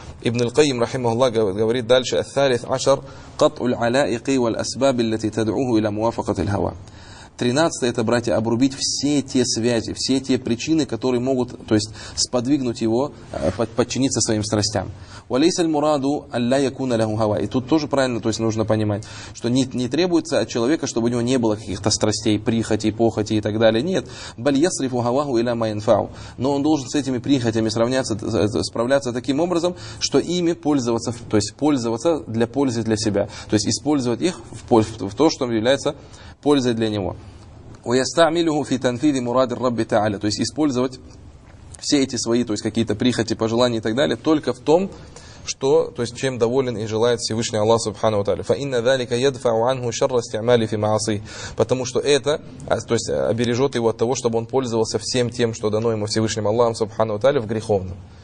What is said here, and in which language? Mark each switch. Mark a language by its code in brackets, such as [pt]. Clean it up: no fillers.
[ar] ابن القيم رحمه الله جابري الدالش الثالث عشر قطع العلائق والأسباب التي تدعوه إلى موافقة الهوى. [ru] 13 это, братья, обрубить все те связи, все те причины, которые могут, то есть, сподвигнуть его подчиниться своим страстям. [ar] وليس المراد ألا يكون له هوى. [ru] И тут тоже правильно, то есть, нужно понимать, что не требуется от человека, чтобы у него не было каких-то страстей, прихоти, похоти и так далее. Нет. [ar] بل يصرف هواه إلى ما ينفعه. [ru] Но он должен с этими прихотями справляться таким образом, что ими пользоваться, то есть, пользоваться для пользы для себя. То есть, использовать их в то, что является пользы для него. [ar] ويستعمله في تنفيذ مراد الرب تعالى. [ru] То есть использовать все эти свои, то есть какие-то прихоти, пожелания и так далее, только в том, что, то есть чем доволен и желает Всевышний Аллах Субхану ва Тааля. [ar] فإِنَّ ذَلِكَ يَدْفَعُ عَنْهُ شَرَّ اسْتِعْمَالِهِ فِي مَعْصِيَةٍ. [ru] Потому что это, то есть обережет его от того, чтобы он пользовался всем тем, что дано ему Всевышним Аллахом Субхану ва Тааля в греховном.